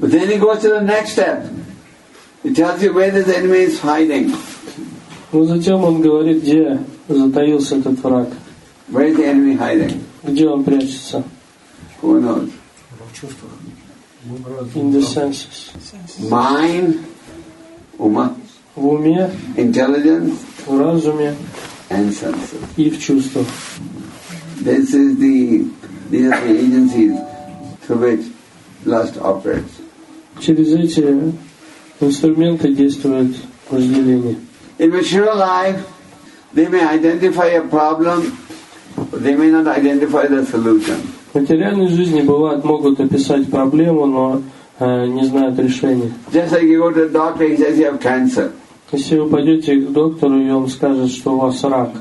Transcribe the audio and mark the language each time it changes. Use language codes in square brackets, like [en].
[en] But then he goes to the next step. It tells you where this enemy is hiding. [ru] Но затем он говорит, где затаился этот враг. [en] Where is the enemy hiding? [ru] Где он прячется? [en] Who knows? [ru] В чувствах. [en] In the senses. Mind. [ru] Ума. В уме. [en] Intelligence. [ru] В разуме. [en] And senses. [ru] И в чувствах. [en] This is the These are the agencies through which lust operates. [ru] Через эти инструменты действует вожделение. [en] In material life, they may identify a problem, but they may not identify the solution. [ru] В материальной жизни бывает могут описать проблему, но не знают решения. [en] Just like you go to the doctor, he says you have cancer. [ru] Если вы пойдете к доктору, и он скажет, что у вас рак,